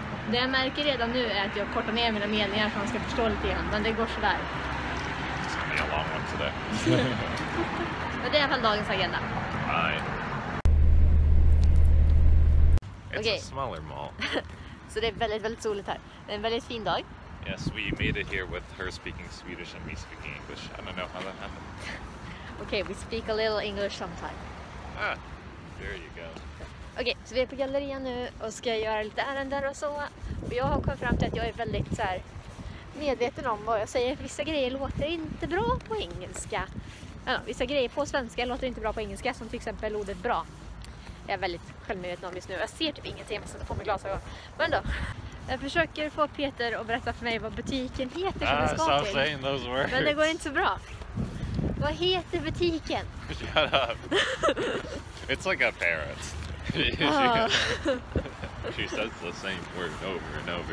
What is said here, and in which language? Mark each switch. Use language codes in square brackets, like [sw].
[sv] Det jag märker redan nu är att jag kortar ner mina meningar så att man ska förstå lite grann. Men det går sådär. Det ska bli en lång [en] one today. [sv] Men det är i alla fall dagens agenda. [en] Hi. It's okay. A smaller mall. [sv] Så det är väldigt, väldigt soligt här. Det är en väldigt fin dag. [en] Yes, we made it here with her speaking Swedish and me speaking English. I don't know how that happened. Okay, we speak a little English sometime. There you go. [sv] Okej, okay, så vi är på gallerian nu och ska göra lite ärenden och så. Och jag har kommit fram till att jag är väldigt så här medveten om vad jag säger. Vissa grejer låter inte bra på engelska. Vissa grejer på svenska låter inte bra på engelska, som till exempel ordet bra. Jag är väldigt självmedveten om just nu. Jag ser typ ingenting, jag sätter på mig glasögon. Men då, jag försöker få Peter att berätta för mig vad butiken heter som det ska till. [en] Stop saying those words. [sv] Men det går inte så bra. Vad heter butiken? [en] Shut up. It's like a parrot. She says the same word over and over.